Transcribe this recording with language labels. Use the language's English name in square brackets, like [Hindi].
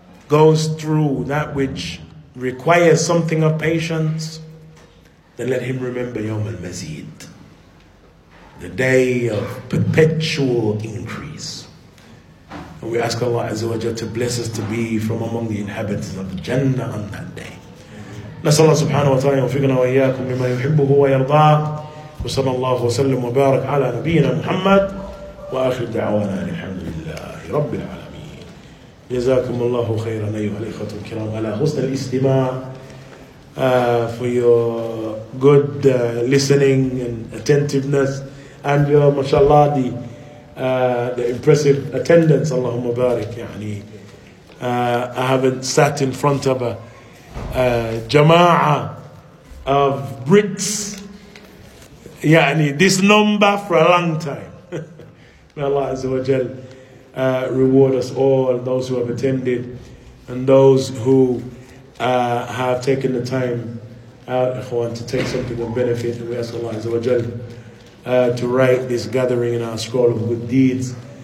[English] goes through that which requires something of patience, then let him remember Yawm al-Mazid, the day of perpetual increase. And we ask Allah Azza wa Jalla to bless us to be from among the inhabitants of Jannah on that day. [Arabic] نسأل الله سبحانه وتعالى يوفقنا وإياكم بما يحبه ويرضاه وصلى الله وسلم وبارك على نبينا محمد وآخر دعوانا الحمد لله رب العالمين جزاكم الله خيرا أيها الإخوة الكرام على حسن الاستماع [English] for your good listening and attentiveness and your mashallah the impressive attendance [Arabic] اللهم بارك [English] يعني I haven't sat in front of a jama'ah of Brits, yani this number for a long time. May Allah Azza wa Jal reward us all, those who have attended and those who have taken the time out, ikhwan, to take something of benefit. And we ask Allah Azza wa Jal to write this gathering in our scroll of good deeds.